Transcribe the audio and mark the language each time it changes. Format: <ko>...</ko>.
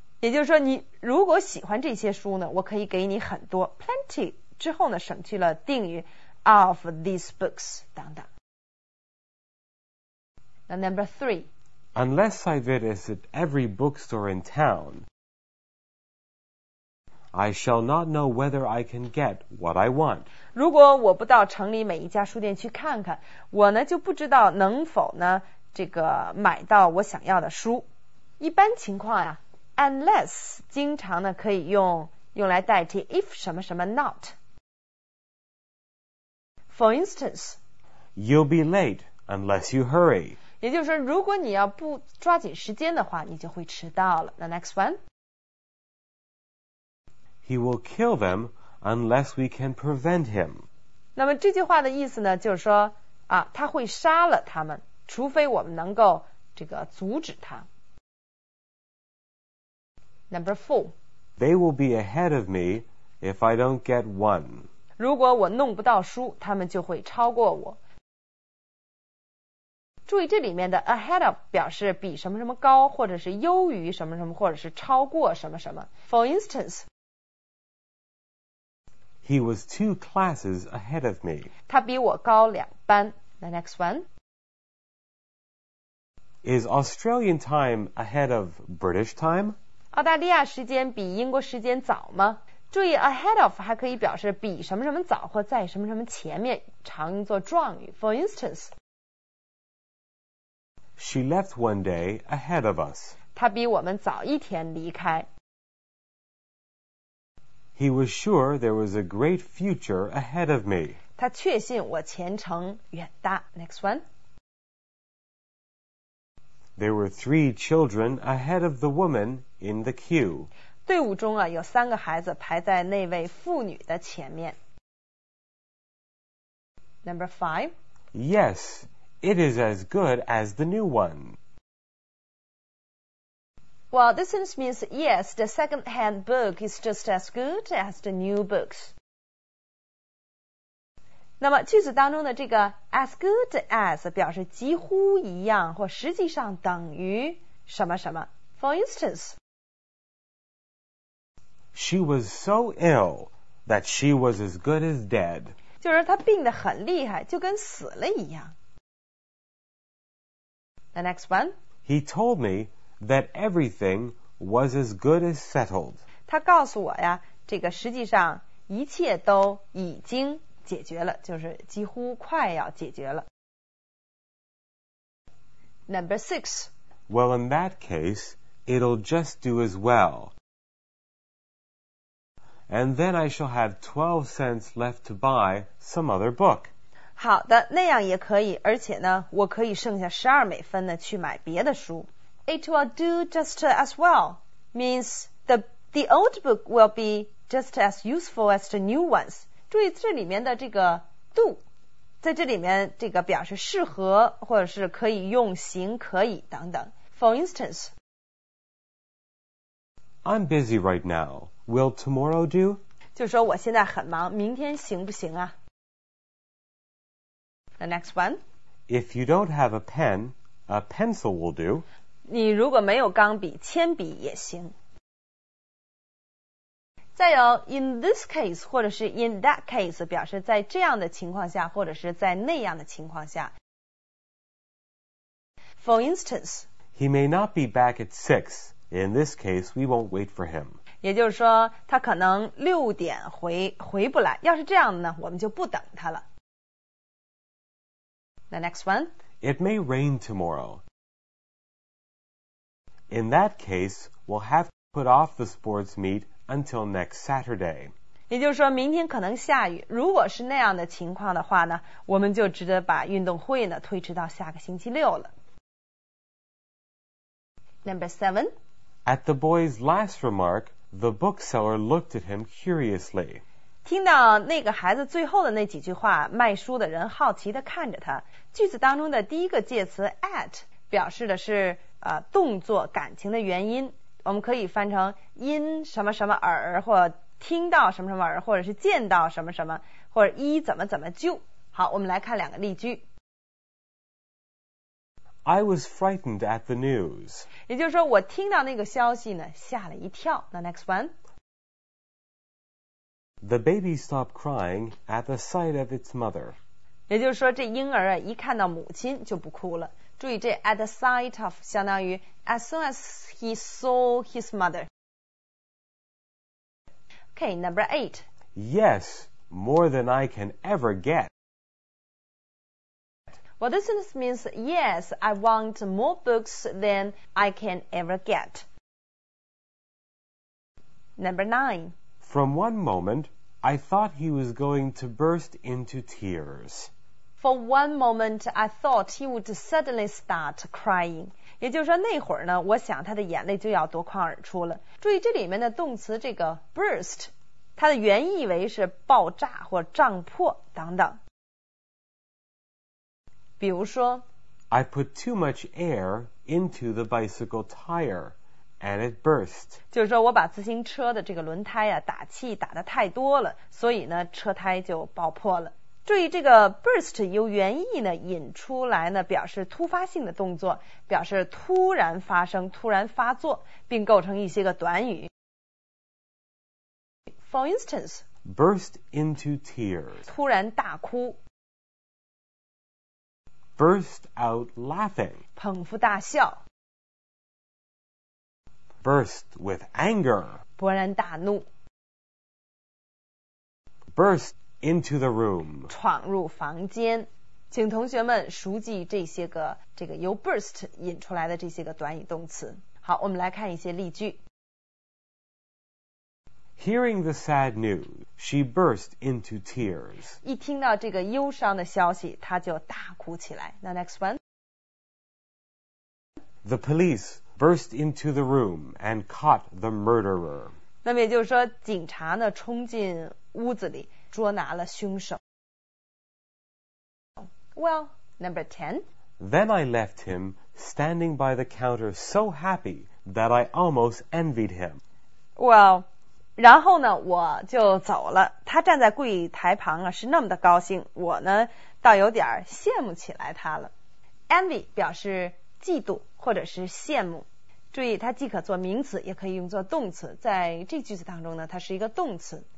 <zh>也就是说你如果喜欢这些书呢，我可以给你很多 plenty 之后呢省去了定语</zh> <en>of these books</en> <zh>等等。</zh> <en>Now, number three. Unless I visit every bookstore in town, I shall not know whether I can get what I want.</en> <zh>如果我不到城里每一家书店去看看，我呢就不知道能否呢这个买到我想要的书。一般情况呀 unless 经常呢可以用来代替 if 什么什么 not.</zh> <en>For instance, you'll be late unless you hurry.</en> <zh>也就是说如果你要不抓紧时间的话你就会迟到了。</zh> <en>The next one. He will kill them unless we can prevent him.</en> <zh>那么这句话的意思呢就是说啊他会杀了他们。除非我们能够这个阻止他。</zh> <en>Number four. They will be ahead of me if I don't get one.</en> <zh>如果我弄不到书，他们就会超过我。注意这里面的 ahead of 表示比什么什么高，或者是优于什么什么，或者是超过什么什么。</zh> <en>For instance, he was two classes ahead of me.</en> <zh>他比我高两班。</zh> <en>The next one. Is Australian time ahead of British time?</en> <zh>澳大利亚时间比英国时间早吗？注意 ahead of 还可以表示比什么什么早或在什么什么前面，常用作状语。</zh> <en>For instance, She left one day ahead of us.</en> <zh>她比我们早一天离开。</zh> <en>He was sure there was a great future ahead of me.</en> <zh>她确信我前程远大。</zh> <en>Next one. There were three children ahead of the woman in the queue.</en> <zh>队伍中啊，有三个孩子排在那位妇女的前面。</zh> <en>Number five. Yes, it is as good as the new one. Well, this means yes, the second-hand book is just as good as the new books.</en> <zh>那么句子当中的这个 as good as 表示几乎一样或实际上等于什么什么。</zh> <en>For instance, She was so ill that she was as good as dead.</en> <zh>就是她病得很厉害，就跟死了一样。</zh> <en>The next one. He told me that everything was as good as settled.</en> <zh>他告诉我呀，这个实际上一切都已经解决了，就是几乎快要解决了。</zh> <en>Number six. Well, in that case, it'll just do as well. And then I shall have 12 cents left to buy some other book.</en> <zh>好的，那样也可以，而且呢，我可以剩下12美分呢，去买别的书。</zh> <en>It will do just as well means the old book will be just as useful as the new ones.</en> <zh>注意这里面的这个 do 在这里面这个表示适合或者是可以用行可以等等。</zh> <en>For instance, I'm busy right now. Will tomorrow do?</en> <zh>就说我现在很忙，明天行不行啊？</zh> <en>The next one. If you don't have a pen, a pencil will do.</en> <zh>你如果没有钢笔，铅笔也行。再有</zh> <en>in this case</en> <zh>或者是</zh> <en>in that case</en> <zh>表示在这样的情况下或者是在那样的情况下。</zh> <en>For instance, He may not be back at 6. In this case, we won't wait for him.</en> <zh>也就是说他可能六点回不来，要是这样呢我们就不等他了。</zh> <en>The next one, It may rain tomorrow. In that case, we'll have to put off the sports meet until next Saturday.</en> <zh>也就是说明天可能下雨，如果是那样的情况的话呢，我们就值得把运动会呢推迟到下个星期六了。</zh> <en>Number seven. At the boy's last remark, the bookseller looked at him curiously.</en> <zh>听到那个孩子最后的那几句话，卖书的人好奇地看着他。句子当中的第一个介词 at 表示的是动作感情的原因，我们可以翻成因什么什么而，或听到什么什么而，或者是见到什么什么，或者一怎么怎么就。好，我们来看两个例句。</zh> <en>I was frightened at the news.</en> <zh>也就是说我听到那个消息呢吓了一跳。</zh> <en>The next one. The baby stopped crying at the sight of its mother.</en> <zh>也就是说这婴儿啊一看到母亲就不哭了。注意这</zh> <en>at the sight of</en> <zh>相当于</zh> <en>as soon as he saw his mother. Okay, number eight. Yes, more than I can ever get. Well, this means yes, I want more books than I can ever get. Number nine. From one moment, I thought he was going to burst into tears. For one moment, I thought he would suddenly start crying.</en> <zh>也就是说那会儿呢，我想他的眼泪就要夺眶而出了。注意这里面的动词这个 burst, 它的原意为是爆炸或胀破等等。比如说</zh> <en>I put too much air into the bicycle tire and it burst.</en> <zh>就是说我把自行车的这个轮胎啊打气打得太多了，所以呢车胎就爆破了。注意这个 burst 由原意呢引出来呢，表示突发性的动作，表示突然发生、突然发作，并构成一些个短语。</zh> <en>For instance, burst into tears,</en> <zh>突然大哭</zh> <en>；burst out laughing,</en> <zh>捧腹大笑</zh> <en>；burst with anger,</en> <zh>勃然大怒</zh> <en>；burst. Into the room.</en> <zh>闯入房间，请同学们熟记这些个这个由 burst 引出来的这些个短语动词。好，我们来看一些例句。</zh> <en>Hearing the sad news, she burst into tears.</en> <zh>一听到这个忧伤的消息，她就大哭起来。</zh> <en>Now next one. The police burst into the room and caught the murderer.</en> <zh>那么也就是说，警察呢冲进屋子里。捉拿了凶手。</zh> <en>Well, number 10. Then I left him standing by the counter so happy that I almost envied him.</en> <zh>Well, 然后呢我就走了，他站在柜台旁啊是那么的高兴，我呢倒有点羡慕起来他了。 Envy 表示嫉妒或者是羡慕，注意它既可做名词也可以用作动词，在这句子当中呢它是一个动词。</zh>